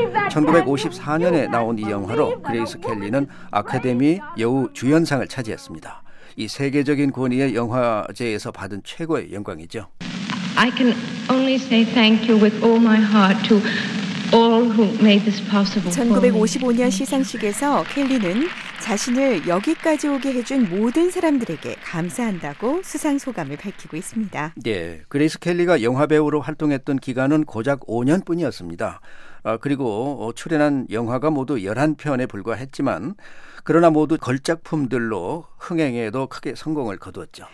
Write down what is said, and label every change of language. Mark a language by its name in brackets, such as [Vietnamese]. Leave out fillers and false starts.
[Korean] 1954년에 나온 이 영화로 그레이스 켈리는 아카데미 여우 주연상을 차지했습니다. 이 세계적인 권위의 영화제에서 받은 최고의 영광이죠. [English] I can only say thank you with all my heart to all who made this possible. [Korean] 1955년 시상식에서 켈리는 자신을 여기까지 오게 해준 모든 사람들에게 감사한다고 수상 소감을 밝히고 있습니다. 네, 그레이스 켈리가 영화배우로 활동했던 기간은 고작 5년뿐이었습니다. 그리고 출연한 영화가 모두 11편에 불과했지만 그러나 모두 걸작품들로 흥행에도 크게 성공을 거두었죠.